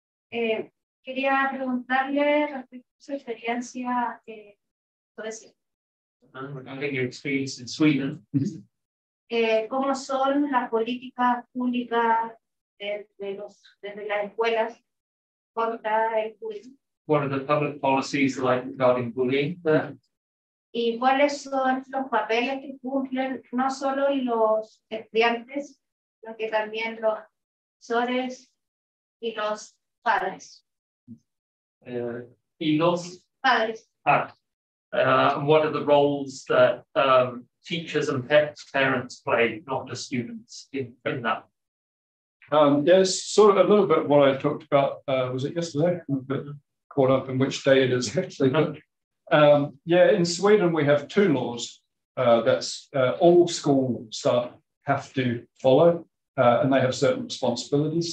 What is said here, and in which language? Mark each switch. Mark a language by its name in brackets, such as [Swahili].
[Spanish] Quería preguntarle respecto a su experiencia en Suecia. [English] Regarding your experience in Sweden. [Spanish] ¿Cómo son las políticas públicas desde las escuelas contra el bullying? [English] What are the public policies like regarding bullying? [Spanish] ¿Y cuáles son los papeles que cumplen no solo los estudiantes, sino que también los profesores y los padres? ¿Y los padres? [English] What are the roles that teachers and parents play, not just students, in that? Yes, sort of a little bit what I talked about, was it yesterday? Caught up in which day it is actually. But, yeah, in Sweden, we have two laws that all school staff have to follow, and they have certain responsibilities.